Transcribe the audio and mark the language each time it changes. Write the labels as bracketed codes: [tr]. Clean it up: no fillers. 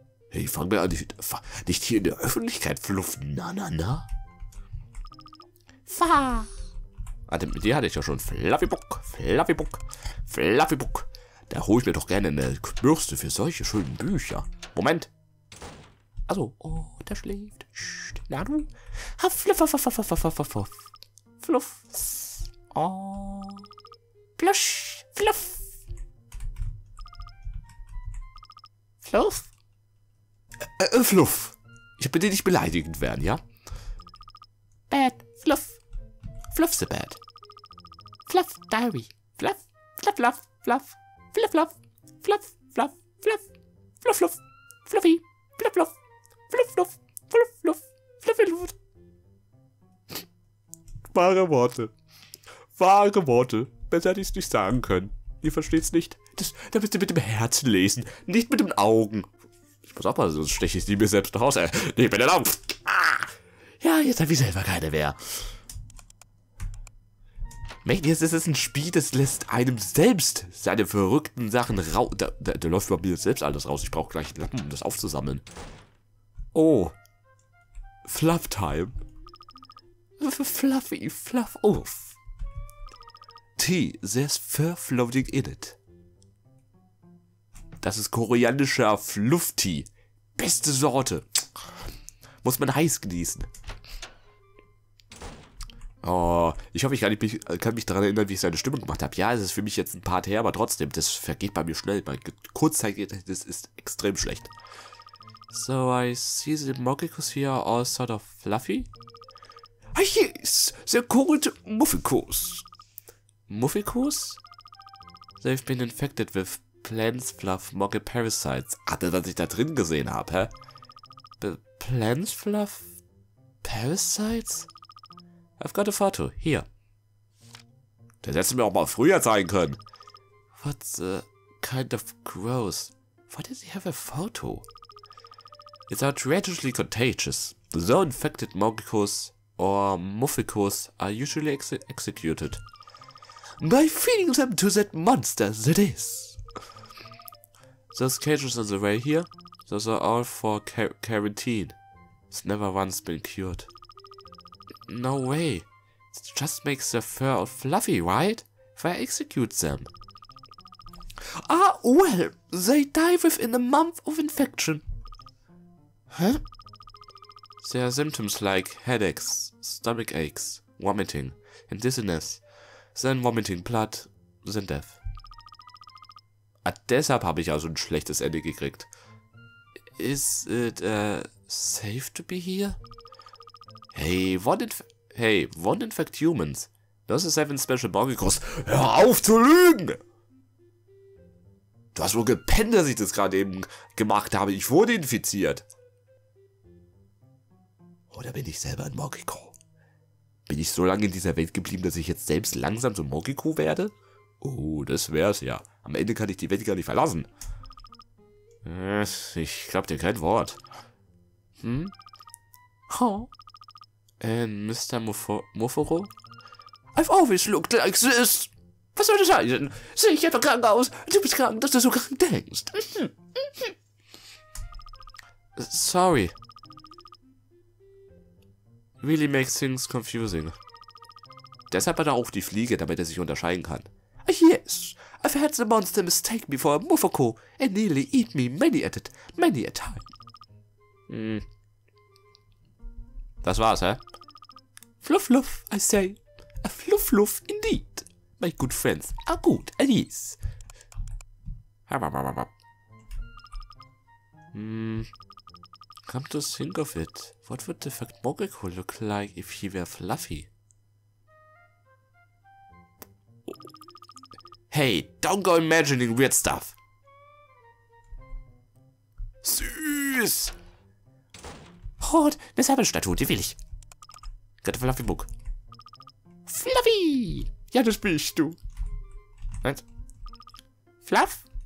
[de] Hey, fang mir an, nicht hier in der Öffentlichkeit fluff. Na, na, na. Fa. Mit dir hatte ich ja schon Fluffy Book, Fluffy Book, Fluffy Book. Da hole ich mir doch gerne eine Bürste für solche schönen Bücher. Moment. Also, oh, der schläft. Psst, na du. Ha, fluff, fluff, fluff, fluff, fluff, fluff. Oh. Plush, fluff. Fluff? Fluff. Ich bitte dich, beleidigend werden, ja? [en] Bad, fluff. Fluff's a bad. Fluff, diary. Fluff, fluff, fluff, fluff. Fluff, fluff, fluff, fluff, fluff, fluff, fluff, fluffy, fluff, fluff, fluff, fluff, fluff, fluff, fluffy, fluff. [de] Wahre Worte. Wahre Worte. Besser hätte ich es nicht sagen können. Ihr versteht's nicht? Da müsst ihr mit dem Herzen lesen, nicht mit den Augen. Ich muss auch mal, sonst steche ich sie mir selbst nach Hause. Nee, bin der Lauf. Ja, jetzt hab ich selber keine mehr. Mensch, jetzt ist es ein Spiel, das lässt einem selbst seine verrückten Sachen raus. Da läuft bei mir selbst alles raus. Ich brauche gleich einen Lappen, um das aufzusammeln. [en] Oh. Fluff Time. Fluffy, fluff off. Tea, there's fur floating in it. [de] Das ist koreanischer Fluff-Tee. Beste Sorte. Muss man heiß genießen. Oh, ich hoffe, ich kann mich daran erinnern, wie ich seine Stimmung gemacht habe. Ja, es ist für mich jetzt ein Part her, aber trotzdem, das vergeht bei mir schnell. Mein Kurzzeitgedächtnis ist extrem schlecht. [en] So, I see the Mokikus here are all sort of fluffy. Ah, yes, they're called Muffikus. Muffikus? They've been infected with Plants, Fluff, Mogge, Parasites. [de] Ach, was ich da drin gesehen habe, hä? [en] Plants, Fluff, Parasites? I've got a photo. [de] Hier. Das hättest du mir auch mal früher zeigen können. [en] What's kind of gross? Why does he have a photo? It's outrageously contagious. The infected Mogikus or Muffikus are usually executed. By feeding them to that monster that is. Those cages on the way here, those are all for quarantine. It's never once been cured. No way. It just makes the fur all fluffy, right? If I execute them. Ah, well, they die within a month of infection. Huh? There are symptoms like headaches, stomach aches, vomiting, and dizziness. Then vomiting blood, then death. [de] Ah, deshalb habe ich also ein schlechtes Ende gekriegt. [en] Is it, safe to be here? One infect humans. Those are 7 special Mogikus. [de] Hör auf zu lügen! Du hast wohl gepennt, dass ich das gerade eben gemacht habe. Ich wurde infiziert. Oder bin ich selber ein Mogiko? Bin ich so lange in dieser Welt geblieben, dass ich jetzt selbst langsam zum Mogiko werde? Oh, das wär's ja. Am Ende kann ich die Welt gar nicht verlassen. Ich glaub dir kein Wort. [en] Oh. And Mr. Mofuro? I've always looked like this. [de] Was soll das heißen? Sehe ich einfach krank aus? Du bist krank, dass du so krank denkst. [en] Sorry. Really makes things confusing. [de] Deshalb hat er auch die Fliege, damit er sich unterscheiden kann. [en] Yes, I've had the monster mistake me for a Mofuko and nearly eat me many a time. [de] Das war's, hä? [en] Fluff, fluff, I say. A fluff, fluff, indeed. My good friends are good at ease. Come to think of it, what would the fact Mogiko look like if he were fluffy? Hey, don't go imagining weird stuff. [de] Süß! Hort, eine Säbelstatue, die will ich. Gott, Fluffy Book. Fluffy! Ja, das bist du. Was? Fluff?